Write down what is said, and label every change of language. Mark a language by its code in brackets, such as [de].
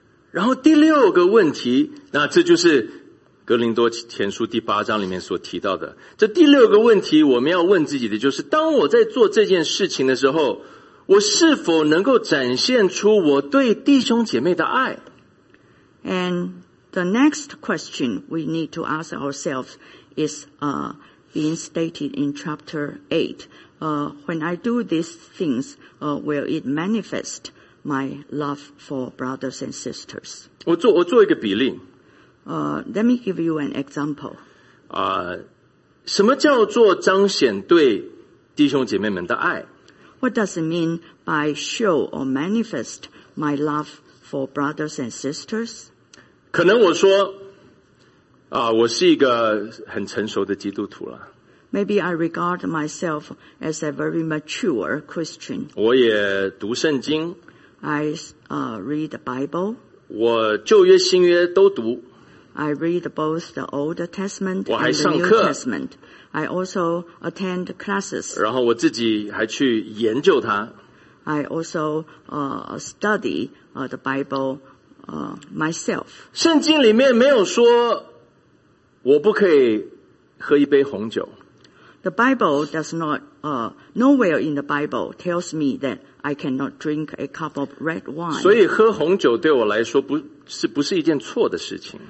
[zh] 然后第六个问题，那这就是哥林多前书第八章里面所提到的。这第六个问题我们要问自己的，就是当我在做这件事情的时候，我是否能够展现出我对弟兄姐妹的爱？ [en] And the next question we need to ask ourselves is being stated in chapter 8. When I do these things, will it manifest my love for brothers and sisters? [zh] 我做一个比例。 [en] Let me give you an example. [zh] 什么叫做彰显对弟兄姐妹们的爱？ [en] What does it mean by show or manifest my love for brothers and sisters? [zh] 可能我说我是一个很成熟的基督徒了。 [en] Maybe I regard myself as a very mature Christian. [zh] 我也读圣经。 [en] I read the Bible. [zh] 我旧约新约都读。 [en] I read both the Old Testament and the New Testament. I also attend classes. [zh] 然后我自己还去研究它。 [en] I also study the Bible myself. [zh] 圣经里面没有说我不可以喝一杯红酒。 [en] The Bible does not, nowhere in the Bible tells me that I cannot drink a cup of red wine. [zh] 所以喝红酒对我来说不是一件错的事情。